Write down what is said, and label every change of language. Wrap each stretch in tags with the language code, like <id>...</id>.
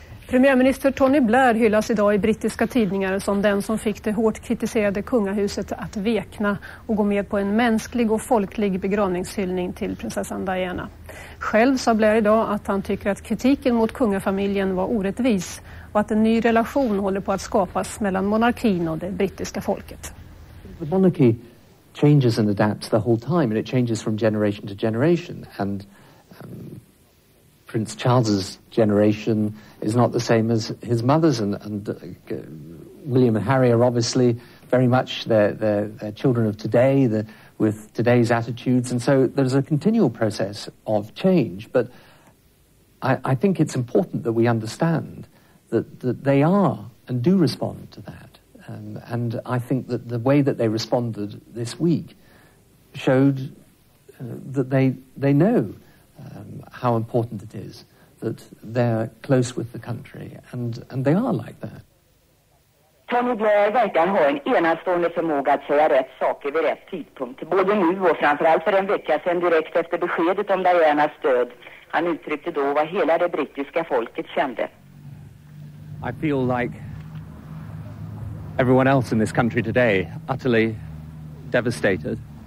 <sv>Premiärminister Tony Blair hyllas idag i brittiska tidningar som den som fick det hårt kritiserade kungahuset att vekna och gå med på en mänsklig och folklig begravningshyllning till prinsessan Diana. Själv sa Blair idag att han tycker att kritiken mot kungafamiljen var orättvis och att en ny relation håller på att skapas mellan monarkin och det brittiska folket.</sv> <en>Changes and adapts the whole time, and it changes from generation to generation. And Prince Charles's generation is not the same as his mother's, and William and Harry are obviously very much their children of today, with today's attitudes. And so there's a continual process of change. But I think it's important that we understand that they are and do respond to that. And I think that the way that they responded this week showed that they know how important it is that they're close with the country, and they are like that.</en> <sv>Tony Blair verkar ha en enastående förmåga att säga rätt saker vid rätt tidpunkt, både nu och framförallt för en vecka sedan direkt efter beskedet om Dianas död. Han uttryckte då vad hela det brittiska folket kände.</sv> <en>I feel like everyone else in this country today, utterly devastated.</en>